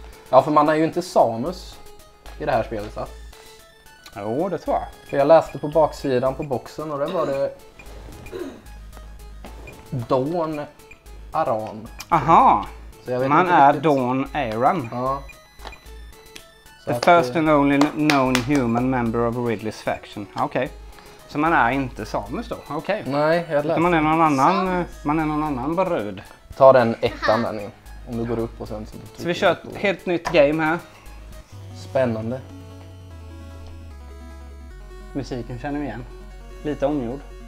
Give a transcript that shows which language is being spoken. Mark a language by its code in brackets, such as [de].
[sv] Ja, för man är ju inte Samus i det här spelet, va? Jo, det tror jag. För jag läste på baksidan på boxen och det var det... Dawn Aran. Aha. Så jag vet man inte är riktigt. Dawn Aran. Ja. [en] The first and only known human member of Ridley's faction. [sv] Okej. Okay. Så man är inte Samus då? Okej. Okay. Nej, jag man är någon annan. Samus. Man är någon annan brud. Ta den ettan där ni. Om du går upp och sen. Så vi kör ett helt nytt game här. Spännande. Musiken känner vi igen. Lite omgjord.